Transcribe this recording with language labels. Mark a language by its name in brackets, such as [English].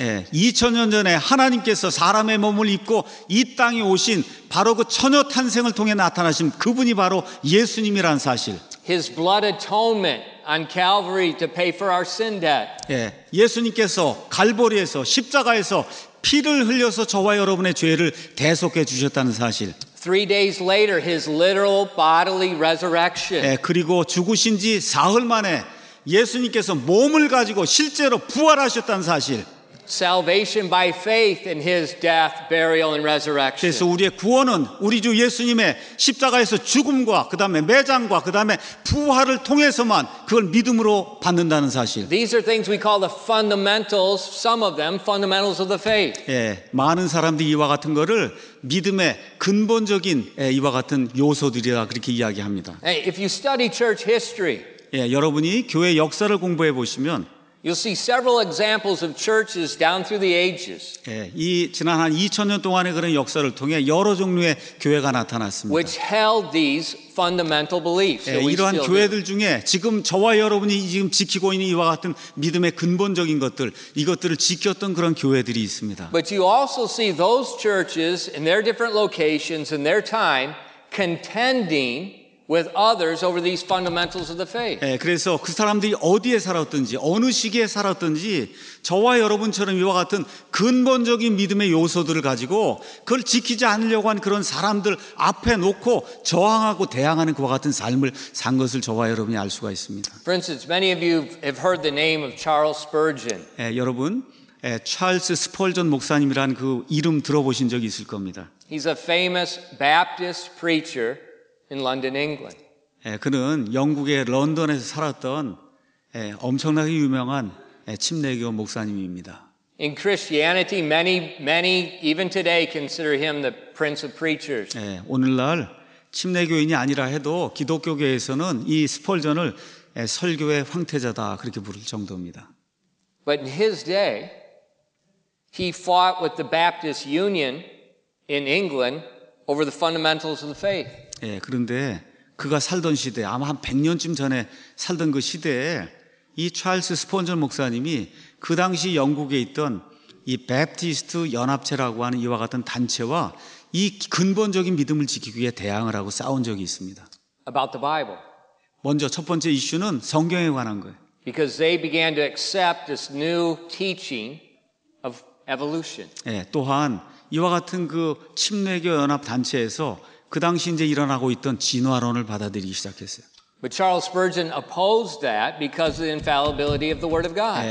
[Korean] 예, 2,000년 전에 하나님께서 사람의 몸을 입고 이 땅에 오신 바로 그 처녀 탄생을 통해 나타나신 그분이 바로 예수님이란 사실. [English] His blood atonement on Calvary to pay for our sin debt. [Korean] 예, 예수님께서 갈보리에서 십자가에서 피를 흘려서 저와 여러분의 죄를 대속해 주셨다는 사실. [English] Three days later, his literal bodily resurrection. [Korean] 예, 그리고 죽으신 지 사흘 만에 예수님께서 몸을 가지고 실제로 부활하셨다는 사실. [English] Salvation by faith in his death, burial, and resurrection. [Korean] 그래서 우리의 구원은 우리 주 예수님의 십자가에서 죽음과 그 다음에 매장과 그 다음에 부활을 통해서만 그걸 믿음으로 받는다는 사실. [English] These are things we call the fundamentals. Some of them fundamentals of the faith. [Korean] 예, 많은 사람들이 이와 같은 것을 믿음의 근본적인 예, 이와 같은 요소들이라 그렇게 이야기합니다. [English] Hey, if you study church history, [Korean] 예, 여러분이 교회 역사를 공부해 보시면. [English] You'll see several examples of churches down through the ages. [Korean] 예, 이 지난 한 2000년 동안의 그런 역사를 통해 여러 종류의 교회가 나타났습니다. [English] Which held these fundamental beliefs. [Korean] 예, 이러한 교회들 중에 지금 저와 여러분이 지금 지키고 있는 이와 같은 믿음의 근본적인 것들, 이것들을 지켰던 그런 교회들이 있습니다. [English] But you also see those churches in their different locations in their time contending with others over these fundamentals of the faith. [Korean] 예, 그래서 그 사람들이 어디에 살았든지 어느 시기에 살았든지 저와 여러분처럼 이와 같은 근본적인 믿음의 요소들을 가지고 그걸 지키지 않으려고 한 그런 사람들 앞에 놓고 저항하고 대항하는 그와 같은 삶을 산 것을 저와 여러분이 알 수가 있습니다. [English] For instance, many of you have heard the name of Charles Spurgeon. [Korean] 예, 여러분 예, 찰스 스펄전 목사님이란 그 이름 들어보신 적이 있을 겁니다. [English] He's a famous Baptist preacher. In London, England. [Korean] 그는 영국의 런던에서 살았던 엄청나게 유명한 침례교 목사님입니다. [English] In Christianity, many even today consider him the prince of preachers. [Korean] 오늘날 침례교인이 아니라 해도 기독교계에서는 이 스펄전을 설교의 황태자다 그렇게 부를 정도입니다. [English] But in his day, he fought with the Baptist Union in England over the fundamentals of the faith. [Korean] 그런데 그가 살던 시대, 아마 한 100년쯤 전에 살던 그 시대에 이 찰스 스펀전 목사님이 그 당시 영국에 있던 이 베프티스트 연합체라고 하는 이와 같은 단체와 이 근본적인 믿음을 지키기 위해 대항을 하고 싸운 적이 있습니다. [English] About the Bible. [Korean] 먼저 첫 번째 이슈는 성경에 관한 거예요. [English] Because they began to accept this new teaching of evolution. [Korean] 또한 이와 같은 그 침례교 연합 단체에서 그 당시 이제 일어나고 있던 진화론을 받아들이기 시작했어요. [English] But Charles Spurgeon opposed that because of the infallibility of the Word of God.